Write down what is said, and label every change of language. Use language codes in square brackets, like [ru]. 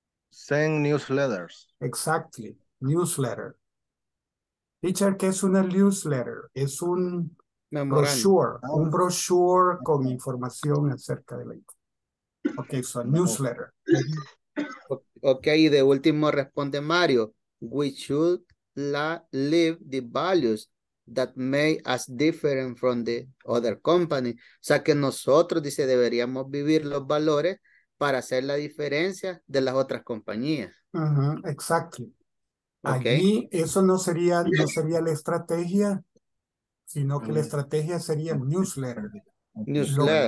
[en] Send newsletters. Exactly. Newsletter. Teacher, [es] ¿qué es una [en] newsletter? [es] Es un brochure. Un brochure con información acerca de la información. [en] Okay, so newsletter. [es] Okay, y de último responde Mario. [en] We should live the values that make us different from the other company. [es] O sea, que nosotros, dice, deberíamos vivir los valores para hacer la diferencia de las otras compañías. [en] Uh-huh, exactly. Okay. [es] Allí, eso no sería la estrategia, sino que la estrategia sería newsletter. [en] Newsletter.